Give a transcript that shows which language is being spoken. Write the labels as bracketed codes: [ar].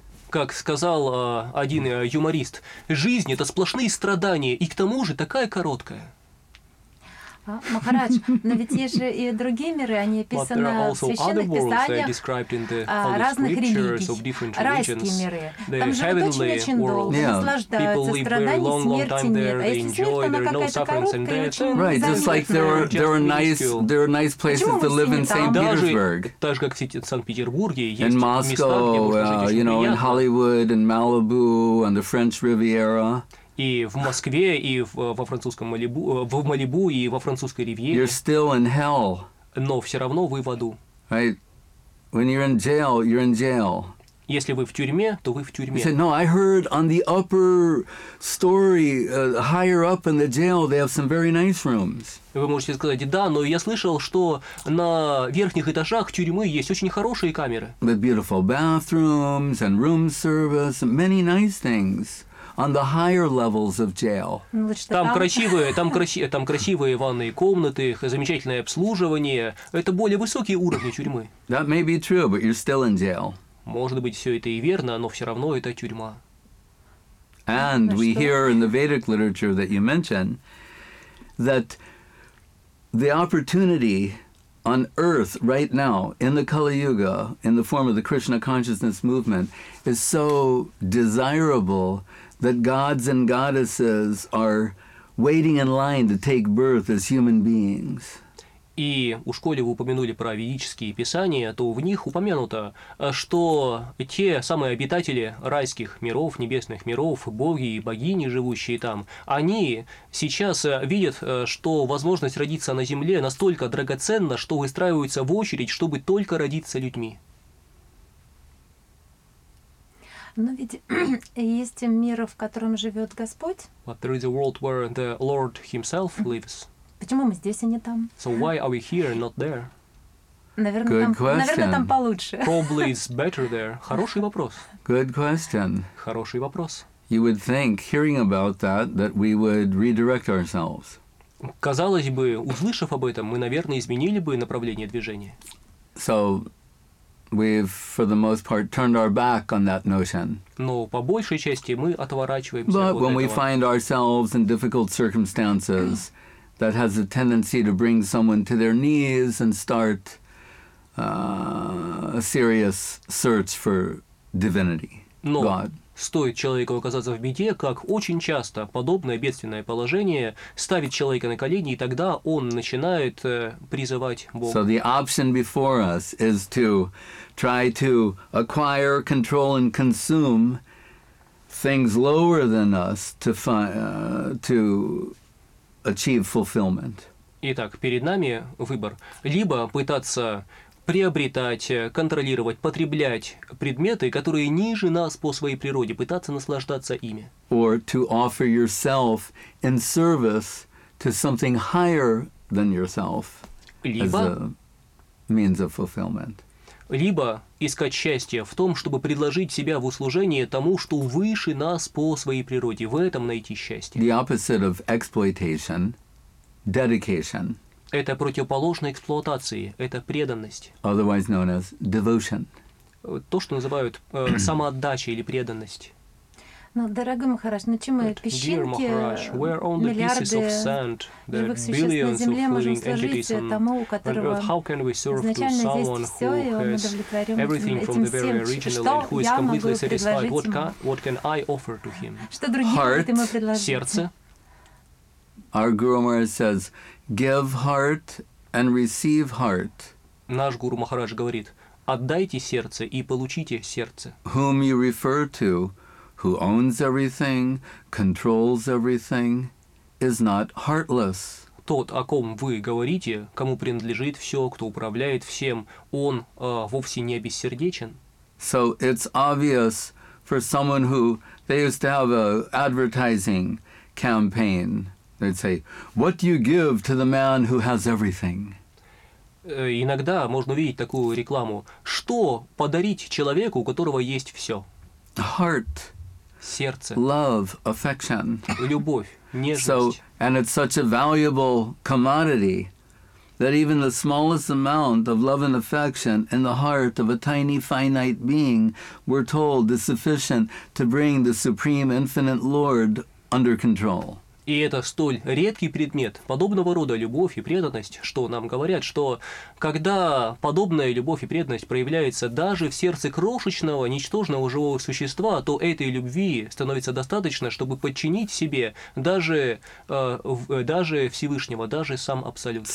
[ru] Как сказал один юморист, жизнь — это сплошные страдания и к тому же такая короткая. Махарадж, но ведь есть же и другие миры, они описаны в священных писаниях разных религий, райские миры. Там живут очень-очень долго, наслаждаются, страданий, смерти нет. А если смерть, она какая-то короткая, очень незаметная. [en] Right, just like there are nice places to live in St. Petersburg. [ru] Так же, как в Санкт-Петербурге, есть места, где можно жить очень приятно. [en] You know, in Hollywood, in Malibu, on the French Riviera. [ru] И в Москве, и во французском Малибу, в Малибу, и во французской Ривьере. [en] You're still in hell. [ru] Но все равно вы в аду. [en] Right? When you're in jail, you're in jail. [ru] Если вы в тюрьме, то вы в тюрьме. [en] He said, no, I heard on the upper story, higher up in the jail, they have some very nice rooms. [ru] Вы можете сказать, да, но я слышал, что на верхних этажах тюрьмы есть очень хорошие камеры. [en] With beautiful bathrooms and room service, many nice things. On the higher levels of jail. [ru] Там красивые ванные комнаты, замечательное обслуживание. Это более высокие уровни тюрьмы. [en] That may be true, but you're still in jail. [ru] Может быть, все это и верно, но все равно это тюрьма. [en] And we hear in the Vedic literature that you mentioned that the opportunity on earth right now in the Kali Yuga in the form of the Krishna consciousness movement is so desirable that gods and goddesses are waiting in line to take birth as human beings. [ru] И у школе вы упомянули про ведические писания, то в них упомянуто, что те самые обитатели райских миров, небесных миров, боги и богини, живущие там, они сейчас видят, что возможность родиться на земле настолько драгоценна, что выстраиваются в очередь, чтобы только родиться людьми. Но ведь есть мир, в котором живет Господь. [en] But there is a world where the Lord Himself lives. [ru] Почему мы здесь, а не там? [en] So why are we here, not there? [ru] Наверное, там получше. [en] Probably it's better there. [ru] Хороший вопрос. [en] Good question. [ru] Хороший вопрос. [en] You would think, hearing about that, that we would redirect ourselves. [ru] Казалось бы, услышав об этом, мы, наверное, изменили бы направление движения. So we've, for the most part, turned our back on that notion. Но по большей части мы отворачиваемся от этого. [en] When we find ourselves in difficult circumstances, that has a tendency to bring someone to their knees and start a serious search for divinity, [ru] Но [en] God. [ru] Стоит человеку оказаться в беде, как очень часто подобное бедственное положение ставит человека на колени, и тогда он начинает призывать Бога. [en] So the option before us is to try to acquire, control, and consume things lower than us to to achieve fulfillment. [ru] Итак, перед нами выбор. Либо пытаться приобретать, контролировать, потреблять предметы, которые ниже нас по своей природе, пытаться наслаждаться ими. [en] Or to offer yourself in service to something higher than yourself as a means of fulfillment. [ru] Либо искать счастье в том, чтобы предложить себя в услужение тому, что выше нас по своей природе. В этом найти счастье. [en] The opposite of exploitation, dedication. [ru] Это противоположное эксплуатации, это преданность. [en] Otherwise known as devotion. [ru] То, что называют самоотдача или преданность. Ну, дорогой Махарадж, на чем мы песчинки, миллиарды живых существ на Земле можем служить тому, у которого изначально есть все, и он удовлетворен этим всем? Что я могу предложить ему? Что другие могут ему предложить? Сердце. [en] Our Guru Maharaj says, give heart and receive heart. [ru] наш Гуру Махарадж говорит: «Отдайте сердце и получите сердце». [en] Whom you refer to, who owns everything, controls everything, is not heartless. [ru] Тот, о ком вы говорите, кому принадлежит все, кто управляет всем, он вовсе не бессердечен. [en] So it's obvious for someone who they used to have an advertising campaign. They'd say, "What do you give to the man who has everything?" [ru] Иногда можно увидеть такую рекламу: что подарить человеку, у которого есть все? [en] Heart, [ru] сердце, [en] love, affection, [ru] любовь, нежность. [en] So, and it's such a valuable commodity that even the smallest amount of love and affection in the heart of a tiny finite being, we're told, is sufficient to bring the supreme infinite Lord under control. [ru] И это столь редкий предмет, подобного рода любовь и преданность, что нам говорят, что когда подобная любовь и преданность проявляется даже в сердце крошечного, ничтожного живого существа, то этой любви становится достаточно, чтобы подчинить себе даже Всевышнего, даже сам Абсолют.